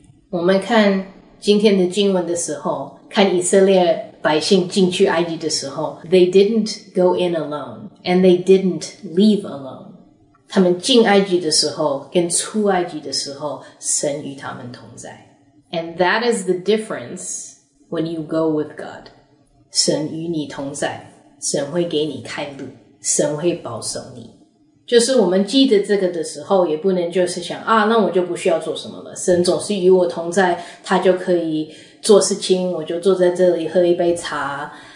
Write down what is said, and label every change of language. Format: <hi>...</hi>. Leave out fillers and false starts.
<zh>我们看今天的经文的时候，看以色列百姓进去埃及的时候，</zh> <en>They didn't go in alone, and they didn't leave alone.</en> <zh>他们进埃及的时候，跟出埃及的时候，神与他们同在。</zh> <en>And that is the difference when you go with God.</en> <zh>神与你同在，神会给你开路，神会保守你。就是我们记得这个的时候，也不能就是想啊，那我就不需要做什么了。神总是与我同在，他就可以做事情，我就坐在这里喝一杯茶。</zh>